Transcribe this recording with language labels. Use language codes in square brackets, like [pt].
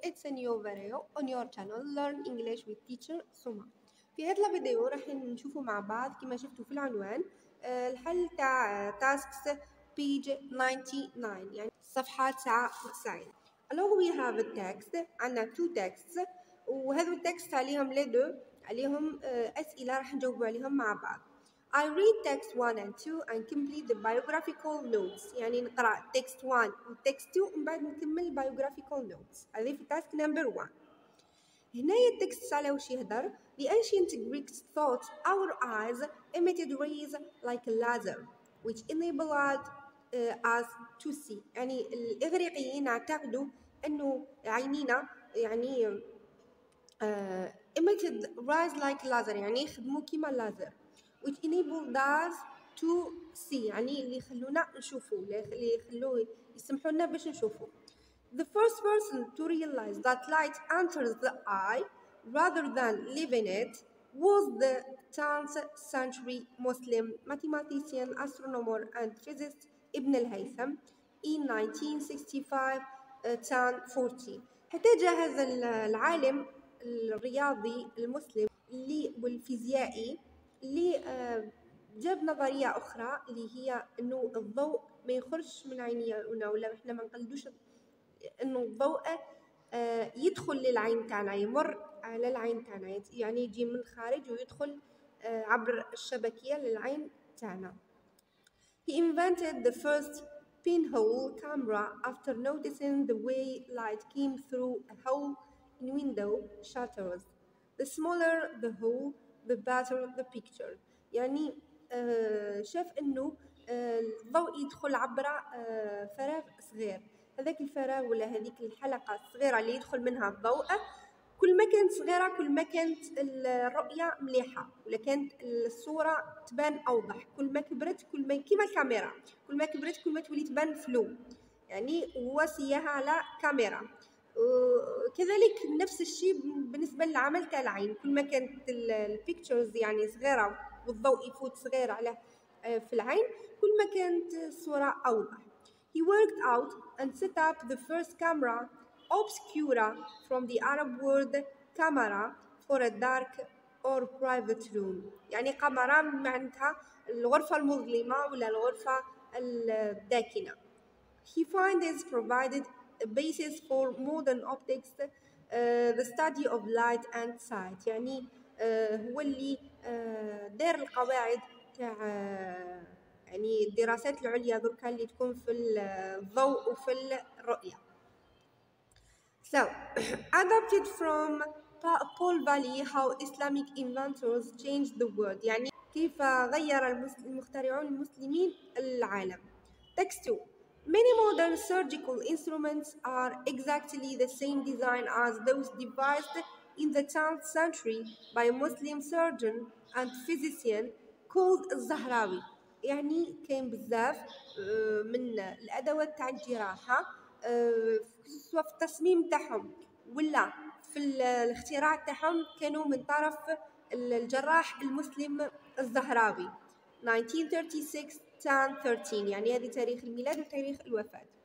[en] It's a new video on your channel, Learn English with Teacher Suma. [ar] في هذا الفيديو راح نشوفه مع بعض كما شفتوا في العنوان الحل تاع [en] tasks page 99 [ar] يعني صفحة 99. [en] Along we have a text. [ar] عنا [en] two texts. [ar] وهذو التكست عليهم لدو عليهم أسئلة راح نجاوب عليهم مع بعض. [en] I read text 1 and 2 and complete the biographical notes. [ar] يعني نقرا text 1 و text 2 ومن بعد نكمل biographical notes. هذه في task number 1. هنا التكست على وش يهضر؟ [en] The ancient Greeks thought our eyes emitted rays like a laser, which enabled us to see. [ar] يعني الإغريقيين اعتقدوا أنه عينينا يعني [en] emitted rays like a laser, [ar] يعني خدموا كيما اللازر. [en] Which enabled us to see, [ar] يعني اللي خلونا نشوفو, اللي خلوه يسمحو لنا باش نشوفو. [en] The first person to realize that light enters the eye rather than leaving it was the 10th century Muslim mathematician, astronomer and physicist Ibn al-Haytham in 1965-1040. [ar] حتى جاء هذا العالم الرياضي المسلم اللي والفيزيائي اللي جاب نظرية أخرى اللي هي أنه الضوء ما يخرجش من عينينا, ولا إحنا ما نقلدوش أنه الضوء يدخل للعين تاعنا, يمر على العين تاعنا, يعني يجي من الخارج ويدخل عبر الشبكية للعين تاعنا. [en] He invented the first pinhole camera after noticing the way light came through a hole in window shutters. The smaller the hole, the better the picture. [ar] يعني شاف انه الضوء يدخل عبر فراغ صغير, هذاك الفراغ ولا هذيك الحلقة الصغيرة اللي يدخل منها الضوء كل ما كانت صغيرة كل ما كانت الرؤية مليحة, ولا كانت الصورة تبان اوضح. كل ما كبرت كل ما كيما الكاميرا, كل ما كبرت كل ما تولي تبان فلو, يعني هو سياها على كاميرا. كذلك نفس الشيء بالنسبة للعمل تاع العين, كل ما كانت البيكتشرز يعني صغيرة والضوء يفوت صغير على في العين كل ما كانت الصورة أوضح. [en] He worked out and set up the first camera obscura from the Arab word camera for a dark or private room. [ar] يعني قمرة معناتها الغرفة المظلمة ولا الغرفة الداكنة. [en] He finds provided a basis for modern optics, the study of light and sight. [ar] يعني هو اللي دار القواعد تاع يعني الدراسات العليا دركا اللي تكون في الضوء وفي الرؤية. [en] So adapted from Paul Valley, how Islamic inventors changed the world. [ar] يعني كيف غير المخترعون المسلمين العالم. [en] Text 2. Many modern surgical instruments are exactly the same design as those devised in the 10th century by a Muslim surgeon and physician called Zahrawi. [ar] يعني كاين بزاف من الأدوات تاع الجراحة سواء في التصميم تاعهم ولا في الاختراع تاعهم كانوا من طرف الجراح المسلم الزهراوي. 1936-1013 يعني هذه تاريخ الميلاد وتاريخ الوفاة.